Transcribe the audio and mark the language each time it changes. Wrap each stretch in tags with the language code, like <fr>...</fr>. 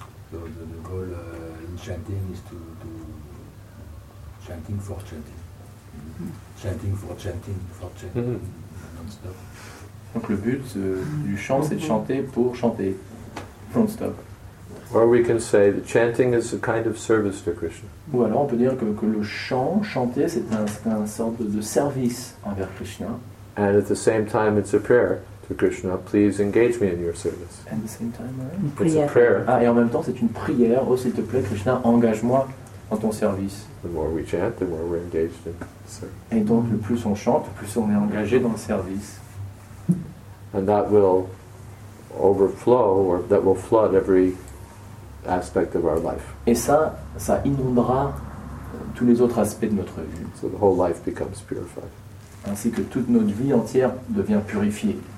<en>So the goal in chanting is to chanting for chanting. Mm-hmm. Chanting for chanting for chanting. Mm-hmm. Non-stop.</en> <fr>Donc le but du chant, c'est de chanter pour chanter. Non-stop.</fr> <en>Or we can say that chanting is a kind of service to Krishna.</en> <fr>Ou alors on peut dire que le chant, chanter, c'est un sort de service envers Krishna.</fr> <en>And at the same time, it's a prayer to Krishna. Please engage me in your service. At the same time, it's a prayer.</en> <fr>Ah, et en même temps, c'est une prière. Oh, s'il te plaît, Krishna, engage-moi dans ton service.</fr> <en>The more we chant, the more we're engaged in service.</en> <fr>Et donc, le plus on chante, le plus on est engagé dans le service.</fr> <en>And that will overflow, or that will flood every aspect of our life.</en> <fr>Et ça inondera tous les autres aspects de notre vie.</fr> <en>So the whole life becomes purified.</en> <fr>Ainsi que toute notre vie entière devient purifiée.</fr>